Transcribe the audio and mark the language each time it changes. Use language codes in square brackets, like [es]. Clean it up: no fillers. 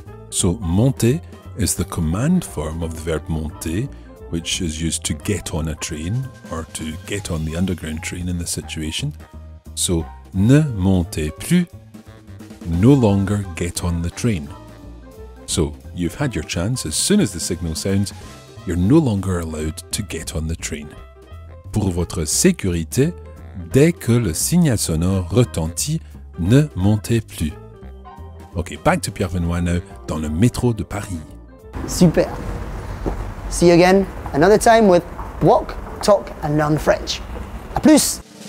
[en] So, monter is the command form of the verb monter, which is used to get on a train or to get on the underground train in the situation. So, ne montez plus, no longer get on the train. So, you've had your chance. As soon as the signal sounds, you're no longer allowed to get on the train. [fr] Pour votre sécurité, dès que le signal sonore retentit, ne montez plus. [en] Ok, back to Pierre Benoît now, [fr] dans le métro de Paris. [en] Super. See you again another time with Walk, Talk and Learn French. [fr] A plus!